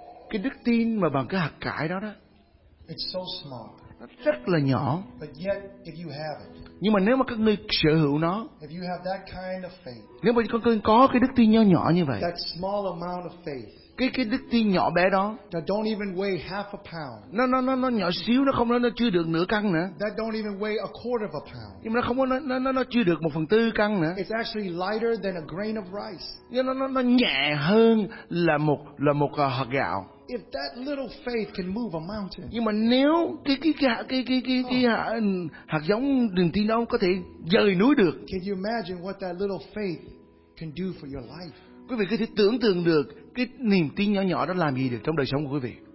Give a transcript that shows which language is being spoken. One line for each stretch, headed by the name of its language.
Vietnamese: Cái đức tin mà bằng cái hạt cải đó.
English: It's so small.
Vietnamese: Nó rất là nhỏ.
English: But yet, if you have it,
Vietnamese: nhưng mà nếu mà các ngươi sở hữu nó,
English: if you have that kind of faith,
Vietnamese: nếu mà các ngươi có cái đức tin nhỏ nhỏ như vậy,
English: that small amount of faith,
Vietnamese: cái đức tin nhỏ bé đó,
English: that don't even weigh half a pound,
Vietnamese: nó nhỏ xíu, nó chưa được nửa cân nữa,
English: that don't even weigh a quarter of a pound,
Vietnamese: nhưng mà nó chưa được một phần tư cân nữa,
English: it's actually lighter than a grain of rice,
Vietnamese: nó nhẹ hơn là một hạt gạo.
English: If that little faith can move a mountain.
Vietnamese: Nhưng mà nếu cái hạt giống đường tin đó có thể dời núi được.
English: Can you imagine what that little faith can do for your life?
Vietnamese: Quý vị có thể tưởng tượng được cái niềm tin nhỏ nhỏ đó làm gì được trong đời sống của quý vị.